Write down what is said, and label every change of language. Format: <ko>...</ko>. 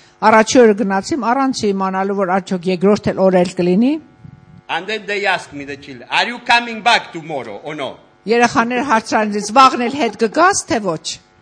<hy>Առաջին օրը գնացի առանց իմանալու, որ արդյոք երկրորդ էլ օրը էլ կլինի.</hy> <en>And then they asked me the children, are you coming back tomorrow or no?</en> <hy>Երեխաները հարցան ինձ, վաղն էլ հետ կգաս թե ոչ?</hy>